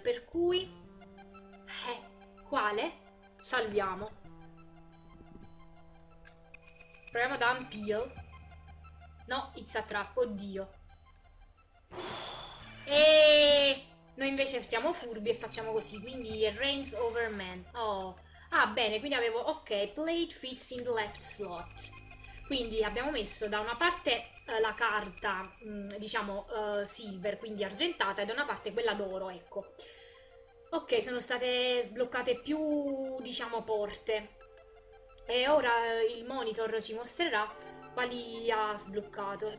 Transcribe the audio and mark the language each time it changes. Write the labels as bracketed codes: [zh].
[it] Per cui, quale? Salviamo. Proviamo [en] Dampiel. No, it's a trap, [it] oddio. E noi invece siamo furbi e facciamo così, quindi Reigns over Man. Oh, ah, bene, quindi avevo. [en] Ok, plate fits in the left slot. [it] Quindi abbiamo messo da una parte la carta, diciamo, silver, quindi argentata, e da una parte quella d'oro, ecco. Ok, sono state sbloccate più, diciamo, porte. E ora il monitor ci mostrerà quali ha sbloccato.